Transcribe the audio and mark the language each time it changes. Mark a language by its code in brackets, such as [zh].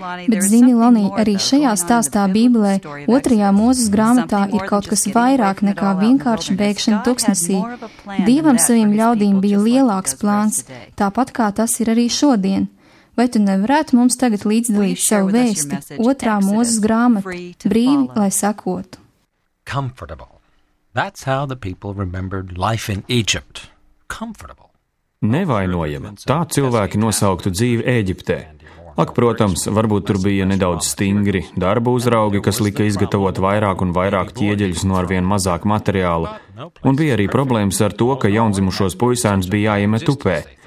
[lv] Bet zini, Lonī, arī šajā stāstā Bībelē, otrajā Mozes grāmatā ir kaut kas vairāk nekā vienkārši bēgšana tuksnesī. Dievam saviem ļaudīm bija lielāks plāns, tāpat kā tas ir arī šodien. Vai tu nevarētu mums tagad līdzdalīt savu vēsti, otrā Mozes grāmata, brīvi, lai sakotu? [en] Comfortable. That's how the people remembered life in Egypt. Comfortable. [lv] Nevainojama. Tā cilvēki nosauktu dzīvi Ēģiptē. Ak, protams, varbūt tur bija nedaudz stingri darba uzraugi, kas lika izgatavot vairāk un vairāk ķieģeļus no arvien mazāk materiāla. Un bija arī problēmas ar to, ka jaundzimušos puisēns bija jāiemet upē.